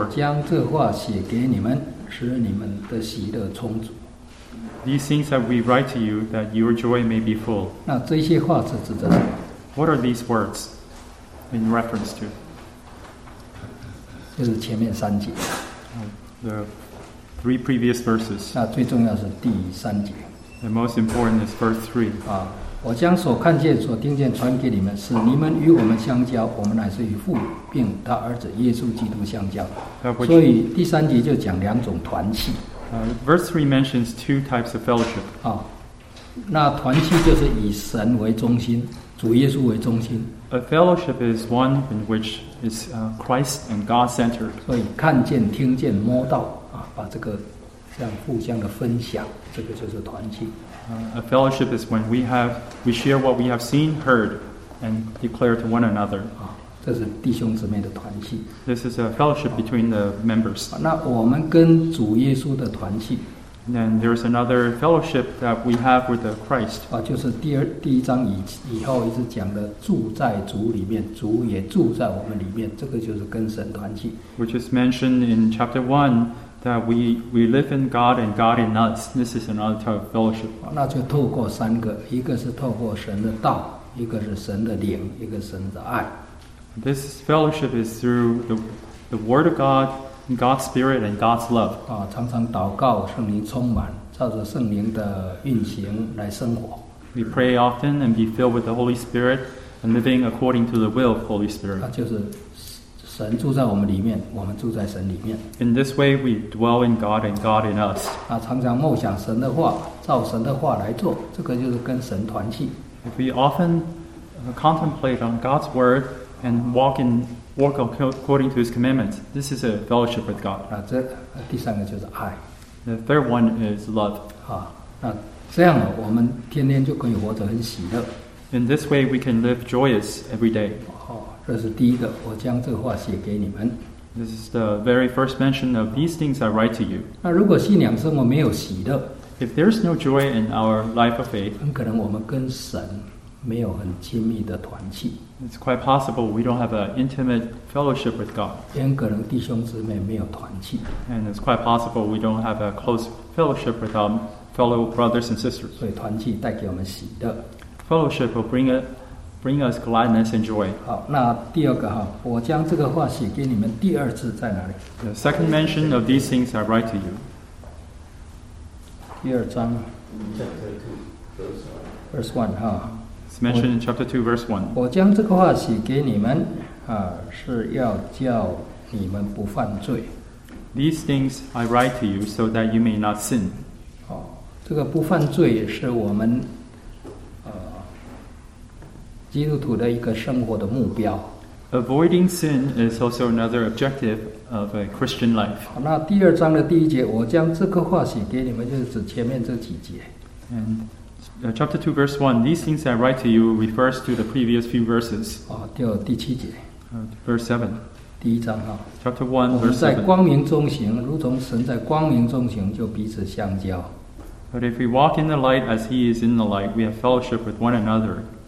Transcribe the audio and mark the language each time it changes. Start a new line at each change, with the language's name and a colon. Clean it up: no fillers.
Chinese: 我将这话写给你们，使你们的喜乐充足。
English: These things that we write to you, that your joy may be full.
Chinese: 那这些话是指的什么？
English: What are these words in reference to?
Chinese: 就是前面三节。
English: The three previous verses.
Chinese: 那最重要是第三节。
English: The most important is verse 3.
Chinese: 我将所看见、所听见传给你们，使你们与我们相交。我们乃是与父并他儿子耶稣基督相交。所以第三节就讲两种团契。
English: Verse 3 mentions two types of fellowship.
Chinese: 那团契就是以神为中心，主耶稣为中心。
English: A fellowship is one in which is Christ and God-centered.
Chinese: 所以看见、听见、摸到，把这个。像互相的分享，这个就是团契。
English: A fellowship is when we share what we have seen, heard, and declare to one another.
Chinese: 这是弟兄姊妹的团契。
English: This is a fellowship between the members.
Chinese: 那我们跟主耶稣的团契。
English: Then there is another fellowship that we have with the Christ.
Chinese: 就是第一章以后一直讲的住在主里面，主也住在我们里面，这个就是跟神团契。
English: Which is mentioned in chapter 1. That we live in God and God in us. This is another type of fellowship.
Chinese: 那就透过三个，一个是透过神的道，一个是神的灵，一个神的爱。
English: This fellowship is through the Word of God, God's Spirit, and God's love.
Chinese: 常常祷告，圣灵充满，照着圣灵的运行来生活。
English: We pray often and be filled with the Holy Spirit and living according to the will of Holy Spirit.
Chinese: 就是。神住在我们里面，我们住在神里面。
English: In this way, we dwell in God and God in us.
Chinese: 常常梦想神的话，照神的话来做，这个就是跟神团契。
English: If we often contemplate on God's word and walk according to His commandments, this is a fellowship with God.
Chinese: 第三个就是爱。
English: The third one is love.
Chinese: 那这样我们天天就可以活得很喜乐。
English: In this way, we can live joyous every day.
Chinese: 这是第一个，我将这话写给你们。
English: This is the very first mention of these things I write to you.
Chinese: 那如果信仰生活没有喜乐
English: ，If there's no joy in our life of faith，
Chinese: 很可能我们跟神没有很亲密的团契。
English: It's quite possible we don't have an intimate fellowship with God.
Chinese: 也可能弟兄姊妹没有团契。
English: And it's quite possible we don't have a close fellowship with our fellow brothers and sisters.
Chinese: 所以团契带给我们喜乐。
English: Fellowship will bring us gladness and joy.
Chinese: 好，那第二个哈，我将这个话写给你们第二次在哪里？
English: The second mention of these things I write to you.
Chinese: 第二章。
English: It's mentioned in chapter 2, verse 1.
Chinese: 我将这个话写给你们是要叫你们不犯罪。
English: These things I write to you so that you may not sin.
Chinese: 这个不犯罪也是我们基督徒的一个生活的目标。
English: Avoiding sin is also another objective of a Christian life.
Chinese: 那第二章的第一节，我将这个话写给你们，就是指前面这几节。
English: And chapter 2, verse 1, these things I write to you refers to the previous few verses.
Chinese: 第七节。
English: Verse 7.
Chinese: 第一章
English: Chapter 1, verse 7.
Chinese: 我们在光明中行，如同神在光明中行，就彼此相交。
English: But if we walk in the light as he is in the light, we have fellowship with one another.